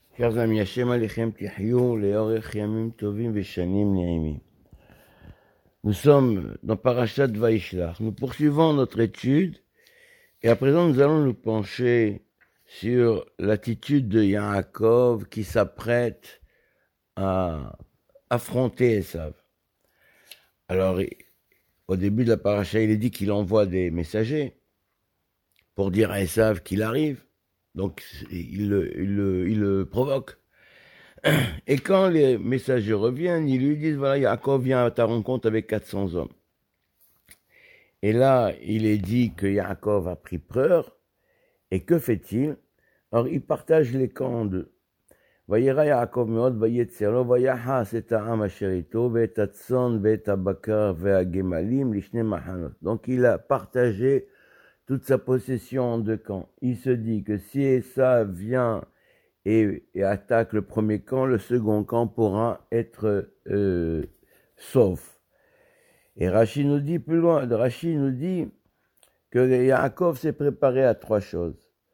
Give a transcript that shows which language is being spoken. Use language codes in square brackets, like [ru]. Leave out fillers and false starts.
[he] כך גם ישם עליכם תחיו לאורך ימים טובים ושנים נעימים. [fr] Nous sommes dans Parashat Vaishlach. Nous poursuivons notre étude et à présent nous allons nous pencher sur l'attitude de Yaakov qui s'apprête à affronter Esav. Alors, au début de la Parasha, il est dit qu'il envoie des messagers pour dire à Esav qu'il arrive. Donc, il le provoque. Et quand les messagers reviennent, ils lui disent, voilà, Yaakov vient à ta rencontre avec 400 hommes. Et là, il est dit que Yaakov a pris peur. Et que fait-il? Alors, il partage les camps en deux. [he] ויירא יעקב מאוד ויצא לו ויחס את העם אשר איתו ואת הצאן ואת הבקר והגמלים לשני מחנות. [fr] Donc il a partagé toute sa possession en deux camps. Il se dit que si Esav vient et attaque le premier camp, le second camp pourra être sauf. Et Rashi nous dit plus loin, Rashi nous dit que Yaakov s'est préparé à trois choses.